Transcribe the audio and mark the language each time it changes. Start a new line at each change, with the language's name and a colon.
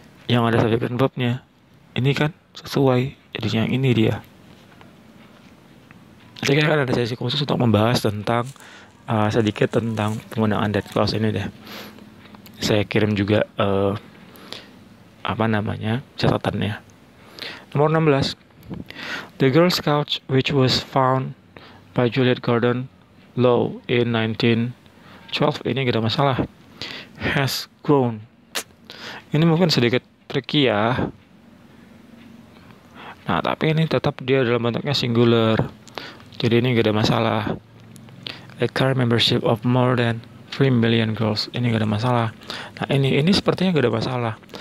Indonesian: Yang ada subject dan verb-nya. Ini kan sesuai. Jadi yang ini dia. Saya kira ada sesi khusus untuk membahas tentang sedikit tentang penggunaan that clause ini deh. Saya kirim juga catatannya. Nomor 16.
English: The Girl Scout which was found by Juliet Gordon Low in 1912,
Indonesian: ini gak ada masalah,
English: has grown.
Indonesian: Ini mungkin sedikit tricky ya. Nah, tapi ini tetap dia dalam bentuknya singular. Jadi ini gak ada masalah.
English: A car membership of more than 3 million girls.
Indonesian: Ini gak ada masalah. Nah, ini sepertinya gak ada masalah.